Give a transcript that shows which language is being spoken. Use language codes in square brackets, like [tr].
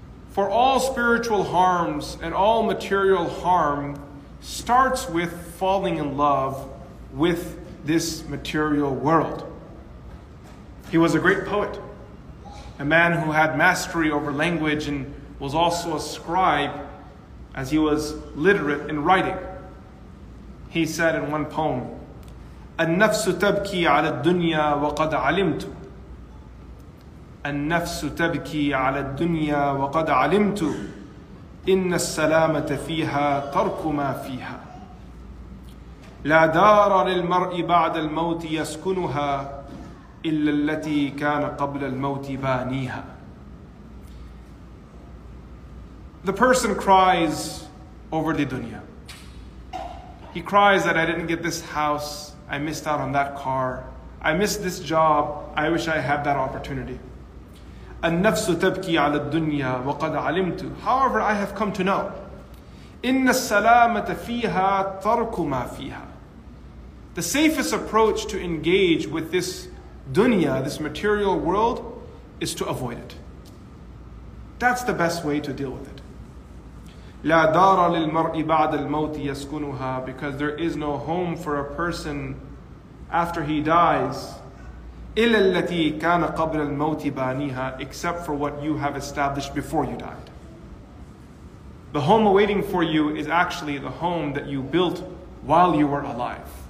[en] For all spiritual harms and all material harm starts with falling in love with this material world. He was a great poet, a man who had mastery over language and was also a scribe as he was literate in writing. He said in one poem, [ar] "النفس تبكي على الدنيا وقد علمت النفس تبكي على الدنيا وقد علمت إِنَّ السَّلَامَةَ فِيهَا تَرْكُ مَا فِيهَا لَا دَارَ لِلْمَرْءِ بَعْدَ الْمَوْتِ يَسْكُنُهَا إِلَّا الَّتِي كَانَ قَبْلَ الْمَوْتِ بَانِيهَا. [en] The person cries over the dunya. He cries that I didn't get this house, I missed out on that car, I missed this job, I wish I had that opportunity. [ar] النفس تبكي على الدنيا وقد علمت. [en] However, I have come to know. [ar] إن السلامة فيها ترك ما فيها. [en] The safest approach to engage with this dunya, this material world, is to avoid it. That's the best way to deal with it. [ar] لا دار للمرء بعد الموت يسكنها. [en] Because there is no home for a person after he dies. [ar] إِلَّا الَّتِي كَانَ قَبْلَ الْمَوْتِ بَانِيهَا. [en] Except for what you have established before you died. The home awaiting for you is actually the home that you built while you were alive.